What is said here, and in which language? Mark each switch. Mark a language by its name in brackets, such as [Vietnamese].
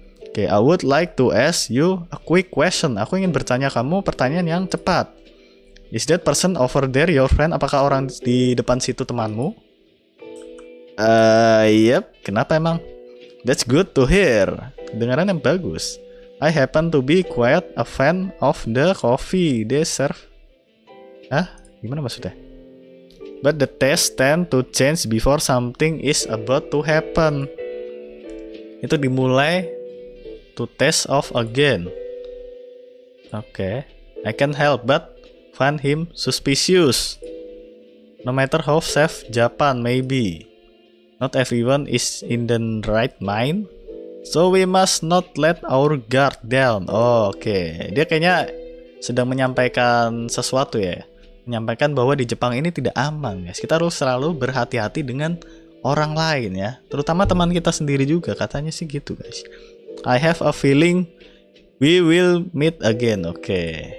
[English] Oke, okay, I would like to ask you a quick question. [Indonesian] Aku ingin bertanya kamu pertanyaan yang cepat. [English] Is that person over there your friend? [Indonesian] Apakah orang di depan situ temanmu? [English] Yep. [Indonesian] Kenapa emang? [English] That's good to hear. [Indonesian] Kedengaran yang bagus. [English] I happen to be quite a fan of the coffee they serve. [Indonesian] Hah? Gimana maksudnya? [English] But the taste tend to change before something is about to happen. [Indonesian] Itu dimulai [English] to taste off again. Oke. Okay. I can't help but find him suspicious. No matter how safe Japan may be, not everyone is in the right mind. So we must not let our guard down. [Indonesian] Oh, oke. Okay. Dia kayaknya sedang menyampaikan sesuatu ya. Menyampaikan bahwa di Jepang ini tidak aman, guys. Kita harus selalu berhati-hati dengan orang lain ya, terutama teman kita sendiri juga katanya sih gitu, guys. [English] I have a feeling we will meet again. Oke. Okay.